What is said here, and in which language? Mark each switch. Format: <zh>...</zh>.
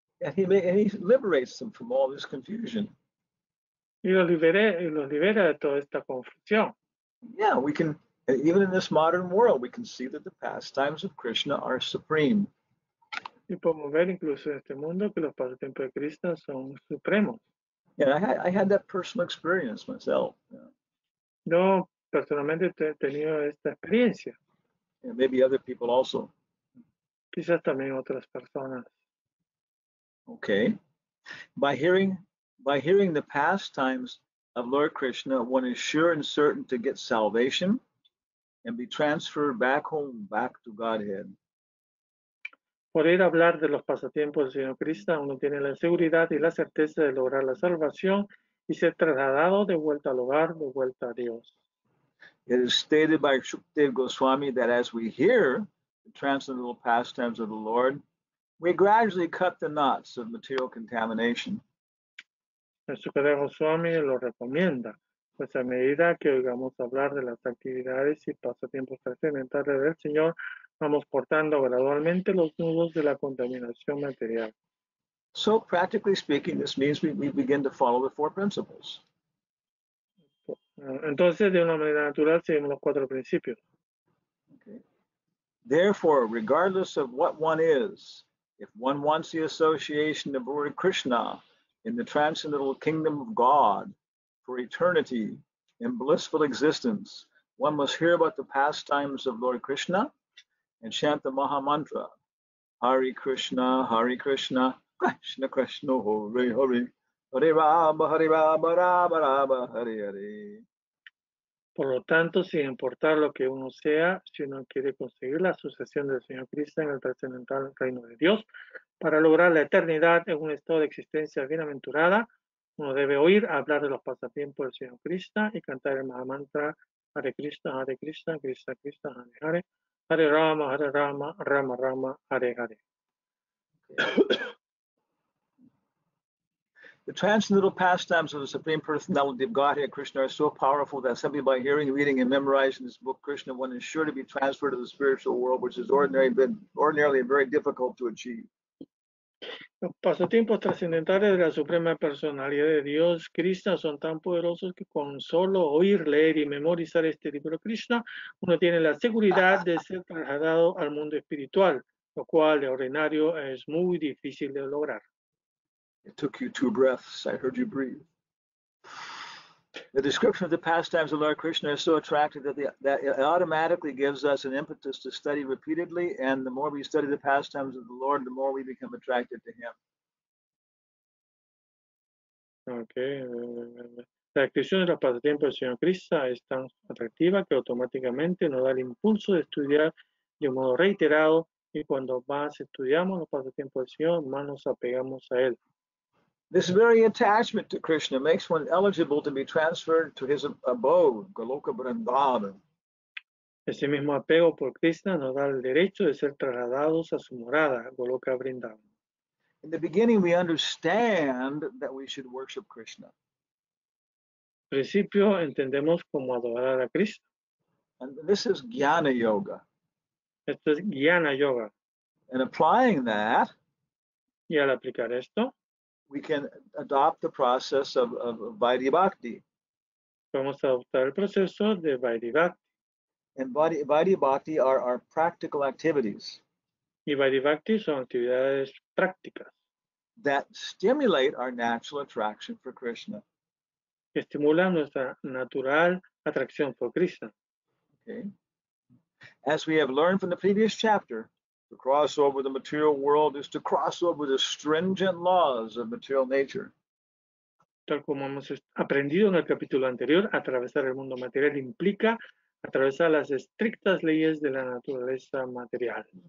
<en>And he liberates them from all this confusion.</en> <es>Y los libera de toda esta confusión.</es> <en>Yeah, we can, even in this modern world, we can see that the pastimes of Krishna are supreme.</en> <es>Y podemos ver incluso en este mundo que los pasatiempos de Krishna son supremos.</es> <en>Yeah, I had that personal experience myself.</en> <es>Yo personalmente he tenido esta experiencia.</es> <en>Yeah, maybe other people also.</en> <es>Quizás también otras personas.</es> <en>Okay, by hearing the pastimes of Lord Krishna, one is sure and certain to get salvation and be transferred back home, back to Godhead.</en> <es>Por ir a hablar de los pasatiempos del Señor Krishna, uno tiene la seguridad y la certeza de lograr la salvación y ser trasladado de vuelta al hogar, de vuelta a Dios.</es> <en>It is stated by Shukdev Goswami that as we hear the transcendental pastimes of the Lord, we gradually cut the knots of material contamination.</en> <es>El Sukadeva Goswami lo recomienda, pues a medida que oigamos hablar de las actividades y pasatiempos trascendentales del Señor, vamos cortando gradualmente los nudos de la contaminación material.</es> <en>So, practically speaking, this means we begin to follow the four principles.</en> <es>Entonces, de una manera natural, seguimos los cuatro principios.</es> <en>Okay. Therefore, regardless of what one is, if one wants the association of Lord Krishna in the transcendental kingdom of God for eternity in blissful existence, one must hear about the pastimes of Lord Krishna and chant the Maha Mantra, Hare Krishna, Hare Krishna, Krishna Krishna, Hare Hare, Hare Rama, Hare Rama, Rama Rama, Hare Hare.</en> <es>Por lo tanto, sin importar lo que uno sea, si uno quiere conseguir la sucesión del Señor Cristo en el trascendental reino de Dios, para lograr la eternidad en un estado de existencia bienaventurada, uno debe oír hablar de los pasatiempos del Señor Cristo y cantar el Mahamantra Hare Krishna, Hare Krishna, Krishna Krishna, Hare Hare, Hare Rama, Hare Rama, Rama Rama, Hare Hare.</es> <en>The transcendental pastimes of the Supreme Personality of Godhead, Krishna, are so powerful that simply by hearing, reading, and memorizing this book, Krishna, one is sure to be transferred to the spiritual world, which is ordinarily very difficult to achieve.</en> <es>Los pasatiempos trascendentales de la Suprema Personalidad de Dios, Krishna, son tan poderosos que con solo oír, leer y memorizar este libro, Krishna, uno tiene la seguridad de ser trasladado al mundo espiritual, lo cual de ordinario es muy difícil de lograr.</es> <en>It took you two breaths. I heard you breathe. The description of the pastimes of Lord Krishna is so attractive that it automatically gives us an impetus to study repeatedly, and the more we study the pastimes of the Lord, the more we become attracted to Him. Okay.</en> <es>La descripción de los pasatiempos del Señor Krishna es tan atractiva que automáticamente nos da el impulso de estudiar de un modo reiterado, y cuando más estudiamos los pasatiempos del Señor, más nos apegamos a Él.</es> <en>This very attachment to Krishna makes one eligible to be transferred to his abode, Goloka Vrindavan.</en> <es>Ese mismo apego por Krishna nos da el derecho de ser trasladados a su morada, Goloka Vrindavan.</es> <en>In the beginning, we understand that we should worship Krishna.</en> <es>Al principio, entendemos cómo adorar a Krishna.</es> <en>And this is Jnana Yoga.</en> <es>Esto es Jnana Yoga.</es> <en>And applying that,</en> <es>y al aplicar esto,</es> <en>we can adopt the process of Vaidhi Bhakti.</en> <es>Vamos a adoptar el proceso de Vaidhi Bhakti.</es> <en>And Vaidhi Bhakti are our practical activities.</en> <es>Y Vaidhi Bhakti son actividades prácticas.</es> <en>That stimulate our natural attraction for Krishna.</en> <es>Estimulan nuestra natural atracción por Krishna.</es> <en>Okay. As we have learned from the previous chapter, to cross over the material world is to cross over the stringent laws of material nature.</en> <es>Tal como hemos aprendido en el capítulo anterior, atravesar el mundo material implica atravesar las estrictas leyes de la naturaleza material.</es>